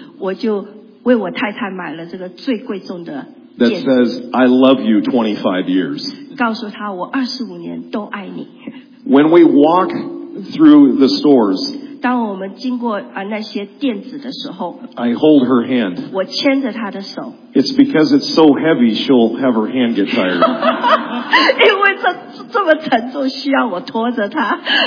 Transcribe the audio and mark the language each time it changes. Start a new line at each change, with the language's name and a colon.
Chinese: 我就为我太太买了这个最贵重的戒指。
English: That says, "I love you 25 years."
Chinese: 告诉她我25年都爱你。
English: When we walk through the stores.
Chinese: 当我们经过那些店子的时候
English: I hold her hand.
Chinese: 我牵着她的手
English: It's because it's so heavy she'll have her hand get tired.
Chinese: 因为这么沉重需要我拖着她。